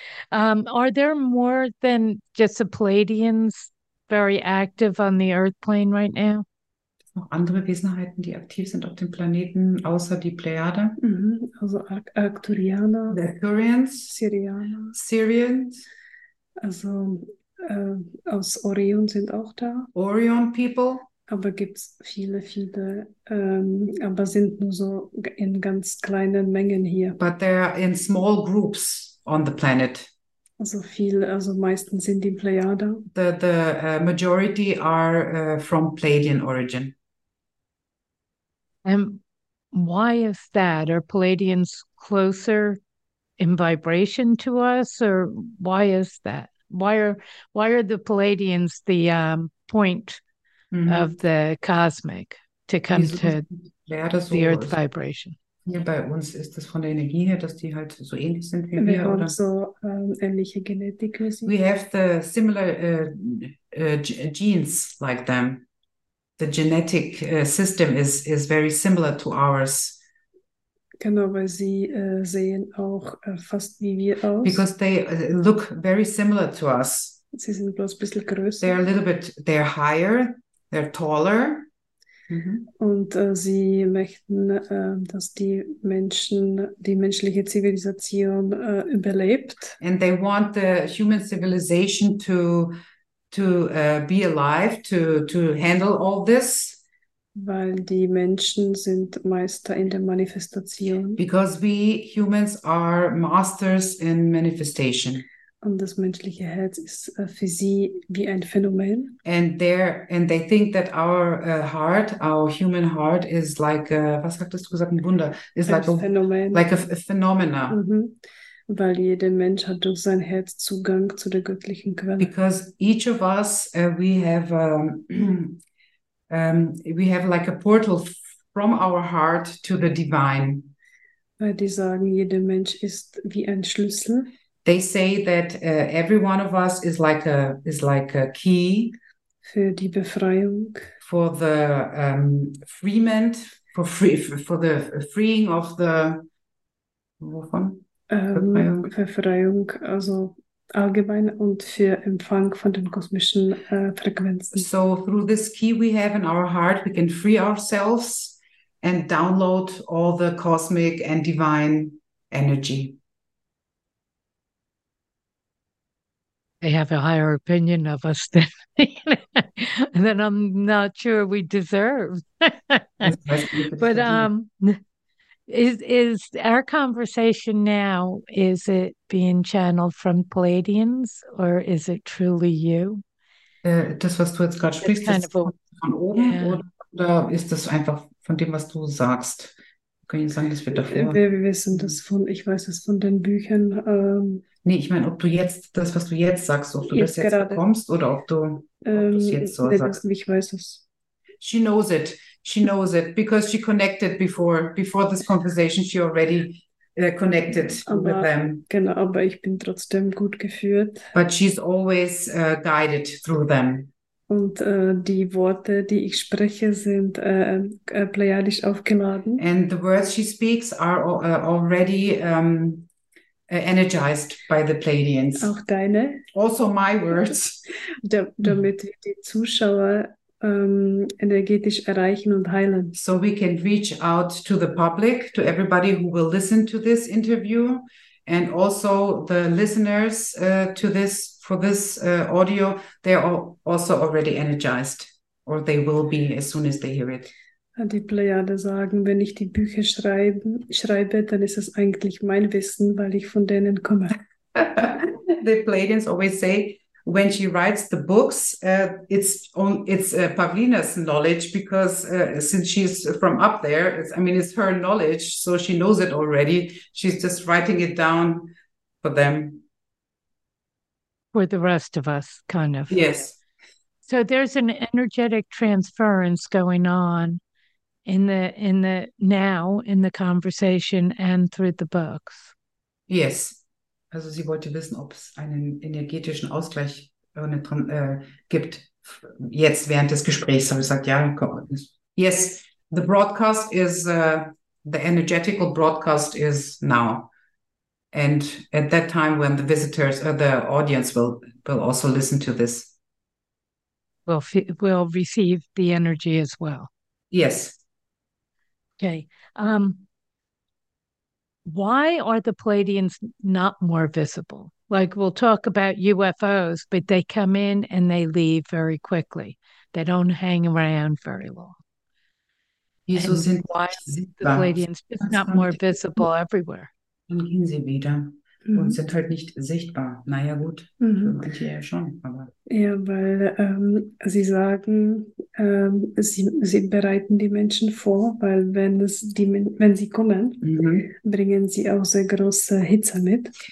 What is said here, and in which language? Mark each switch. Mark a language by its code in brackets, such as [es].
[en] Are there more than just the Pleiadians very active on the Earth plane right now? [de] Noch andere Wesenheiten, die aktiv sind auf dem Planeten, außer die Plejade. Mm-hmm. Also Arcturianer. [en] The Arcturians. [de] Syrianer. [en] Syrians. [de] Also aus Orion sind auch da. [en] Orion people. [de] Aber gibt es viele, viele, aber sind nur so in ganz kleinen Mengen hier. [en] But they're in small groups on the planet. [de] Also viel, also meistens sind die Plejade. [en] The majority are from Pleiadian origin. And why is that? Are Pleiadians closer in vibration to us, or why is that? Why are the Pleiadians the point mm-hmm. of the cosmic to come to so the Earth vibration? [de] Hier bei uns ist das von der Energie her, dass die halt so ähnlich sind wie wir oder? So ähnliche Genetik. [en] We have the similar genes like them. The genetic system is very similar to ours. [de] Genau, weil sie sehen auch fast wie wir aus. [en] Because they look very similar to us. [de] Sie sind bloß ein bisschen größer. [en] They're a little bit, they're higher, they're taller. Mhm. [de] Und sie möchten, dass die Menschen, die menschliche Zivilisation überlebt. [en] And they want the human civilization to be alive, to handle all this. [de] Weil die Menschen sind Meister in der Manifestation. [en] Because we humans are masters in manifestation. [de] Und das menschliche Herz ist für sie wie ein Phänomen. [en] And they think that our heart, our human heart, is like a, [de] was hattest du gesagt, ein Wunder, [en] is [de] ein Phänomen. [en] like a phenomena. Mm-hmm. [de] Weil jeder Mensch hat durch sein Herz Zugang zu der göttlichen Quelle. [en] Because each of us, we have we have like a portal from our heart to the divine. [de] Weil die sagen, jeder Mensch ist wie ein Schlüssel. [en] They say that every one of us is like a key [de] für die Befreiung, [en] for the freement, for the freeing of the wovon? [de] Befreiung, also allgemein und für Empfang von den kosmischen Frequenzen. [en] So through this key we have in our heart, we can free ourselves and download all the cosmic and divine energy. They have a higher opinion of us than that I'm not sure we deserve. But is our conversation now, is it being channeled from Pleiadians or is it truly you? [de] Das, was du jetzt gerade sprichst, ist von oben oder ist das einfach von dem, was du sagst? Kann ich sagen, das wird davor. Wir wissen das von, ich weiß es von den Büchern. Nee, ich meine, ob du jetzt das, was du jetzt sagst, ob du jetzt das jetzt bekommst oder ob du es jetzt so sagst. Ich weiß es. [en] She knows it. She knows it because she connected before this conversation. She already connected [de] aber, [en] with them. [de] Genau, aber ich bin trotzdem gut geführt. [en] But she's always guided through them. [de] Und die Worte, die ich spreche, sind pleiadisch aufgeladen. [en] And the words she speaks are already energized by the Pleiadians. [de] Auch deine. [en] Also my words. [de] damit die Zuschauer energetisch erreichen und heilen. [en] So we can reach out to the public, to everybody who will listen to this interview, and also the listeners to this. For this audio, they are also already energized, or they will be as soon as they hear it. Die Plejade sagen, wenn ich die Bücher schreibe, dann ist es eigentlich mein Wissen, weil ich von denen komme. The Pleiadians always say, when she writes the books, it's Pavlina's knowledge, because since she's from up there, it's her knowledge, so she knows it already. She's just writing it down for them. For the rest of us, kind of. Yes. So there's an energetic transference going on in the now, in the conversation and through the books. Yes. [de] Also sie wollte wissen, ob es einen energetischen Ausgleich gibt jetzt während des Gesprächs. Habe ich gesagt, ja. [en] Yes, the broadcast is, the energetical broadcast is now. And at that time, when the visitors or the audience will also listen to this, we'll receive the energy as well. Yes. Okay. Why are the Pleiadians not more visible? Like, we'll talk about UFOs, but they come in and they leave very quickly. They don't hang around very long. And why are the Pleiadians just not more visible everywhere? [de] Dann gehen sie wieder und sind halt nicht sichtbar. Naja, gut, für manche ja schon. Aber. Ja, weil sie sagen, sie bereiten die Menschen vor, weil wenn sie kommen, bringen sie auch sehr große Hitze mit.